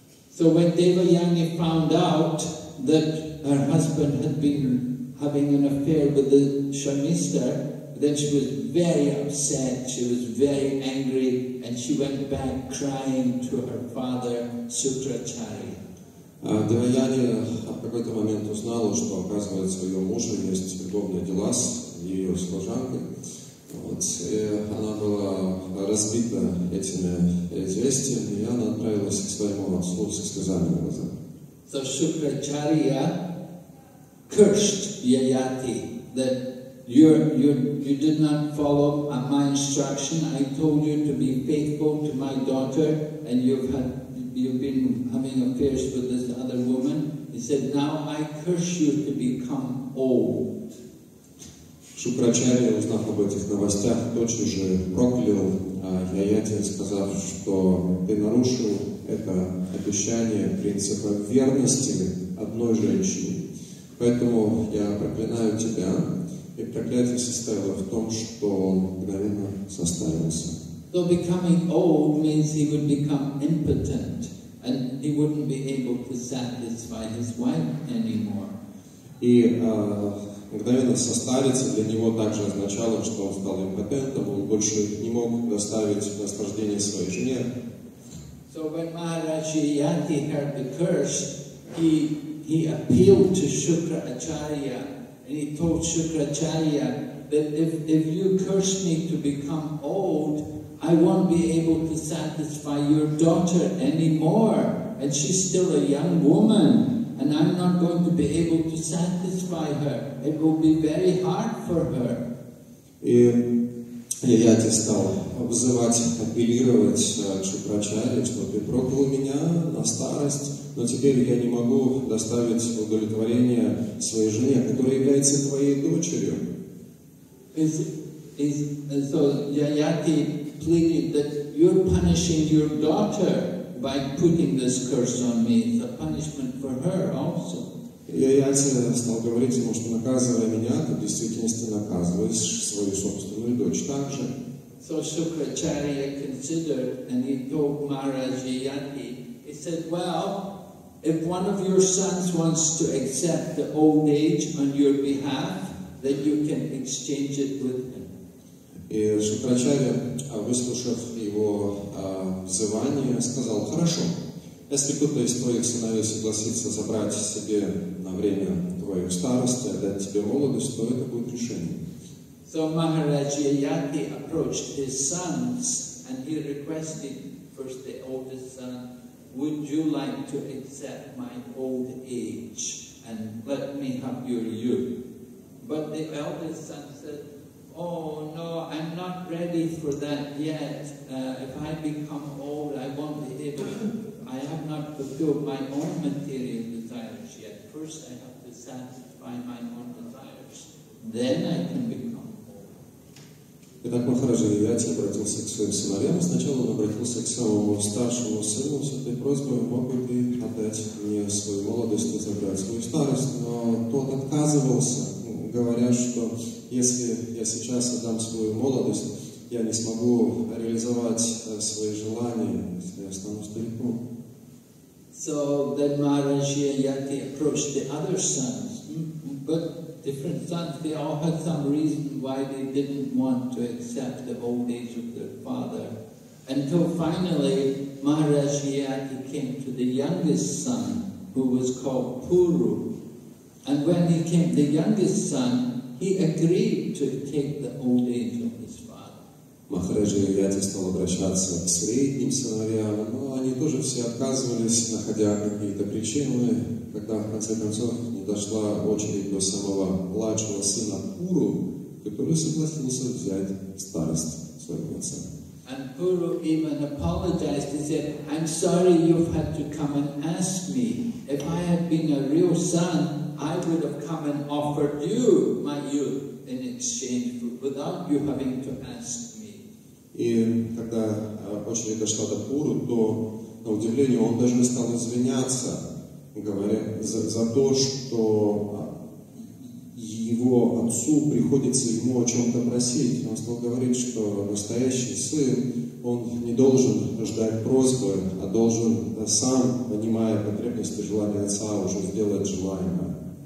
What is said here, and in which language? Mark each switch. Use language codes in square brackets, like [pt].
[en] So when Devayani found out that her husband had been having an affair with the Sharmishtha, then she was very upset, she was very angry, and she went back crying to her father, Sukracharya. [ru] Девайяни в какой-то момент узнала, что, оказывается, ее муж есть любовные дела с ее служанкой. Вот. И она была разбита этими известиями, и она отправилась к своему отцу со слезами на глазах. [en] So Sukracharya cursed Yayati that you did not follow my instruction. I told you to be faithful to my daughter, and you've been having affairs with this other woman. He said, now I curse you to become old. [ru] Шукрачарья, узнав об этих новостях, тотчас же проклял Яяти, сказав, что ты нарушил это обещание принципа верности одной женщине. Поэтому я проклинаю тебя, и проклятие состояло в том, что он мгновенно состарился. [en] So becoming old means he would become impotent, and he wouldn't be able to satisfy his wife anymore. [ru] И мгновенно состариться для него также означало, что он стал импотентом, он больше не мог доставить наслаждение своей жене. [en] So when Maharaja Yati heard the curse, he appealed to Shukra Acharya, and he told Shukra Acharya that if you curse me to become old, I won't be able to satisfy your daughter anymore, and she's still a young woman, and I'm not going to be able to satisfy her. It will be very hard for her. [ru] И Яяти стал обзывать, апеллировать к Шукрачарье, что ты проклял меня на старость, но теперь я не могу доставить удовлетворение своей жене, которая является твоей дочерью. [en] So Яяти pleaded that you're punishing your daughter by putting this curse on me. It's a punishment for her also. [ru] Яяти стал говорить ему, что наказывая меня, ты в действительности наказываешь свою собственную дочь также. [en] So Shukracharya considered, and he told Maharaj Yati, he said, well, if one of your sons wants to accept the old age on your behalf, then you can exchange it with him. [ru] И Шукрачарья, выслушав его взывание, сказал, хорошо, если кто-то из твоих сыновей согласится забрать себе на время твою старость, отдать тебе молодость, то это будет решение. [en] So Maharaja Yati approached his sons, and he requested first the oldest son, would you like to accept my old age and let me have your youth? But the eldest son said, oh no, I'm not ready for that yet. If I become old, I won't be able to. I have not fulfilled my own material desires yet. First, I have to satisfy my own desires. Then I can become old. [ru] Итак, Махараджа Яяти обратился к своим сыновьям. Сначала он обратился к самому старшему сыну с этой просьбой, мог бы отдать мне свою молодость и забрать свою старость. Но тот отказывался, говоря, что если я сейчас отдам свою молодость, я не смогу реализовать свои желания, если я стану стариком. [en] So then Maharaja Yati approached the other sons, but different sons, they all had some reason why they didn't want to accept the old age of their father. Until finally, Maharaja Yati came to the youngest son, who was called Puru. And when he came, the youngest son, he agreed to take the old age of his father. [ru] Махараджа Яяти стал обращаться к средним сыновьям, но они тоже все отказывались, находя какие-то причины. Когда в конце концов не дошла очередь до самого младшего сына Пуру, который согласился взять старость своего отца. [en] And Puru even apologized. He said, "I'm sorry you've had to come and ask me. If I had been a real son, I would have come and offered you my youth in exchange for without you having to ask me." [ru] И когда очередь дошла до Пуру, то на удивление он даже стал извиняться, говоря за то, что его отцу приходится ему о чем-то просить. Он стал говорить, что настоящий сын, он не должен ждать просьбы, а должен сам, понимая потребности и желания отца, уже сделать желаемое.